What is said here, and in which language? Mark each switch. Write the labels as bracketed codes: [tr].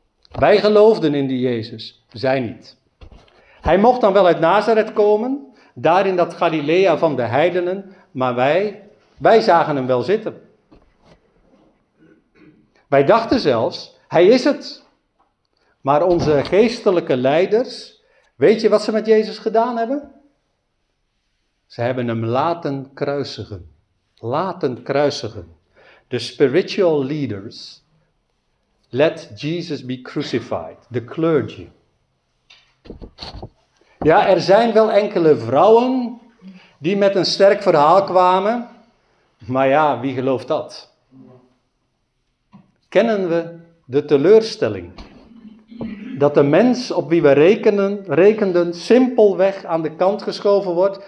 [nl] Wij geloofden in die Jezus, zij niet. Hij mocht dan wel uit Nazareth komen, daar in dat Galilea van de heidenen, maar wij zagen hem wel zitten. Wij dachten zelfs, hij is het. Maar onze geestelijke leiders, weet je wat ze met Jezus gedaan hebben? Ze hebben hem laten kruisigen. Laten kruisigen. [en] The spiritual leaders, let Jesus be crucified. The clergy. [nl] Ja, er zijn wel enkele vrouwen die met een sterk verhaal kwamen. Maar ja, wie gelooft dat? Kennen we de teleurstelling? Dat de mens op wie we rekenden simpelweg aan de kant geschoven wordt.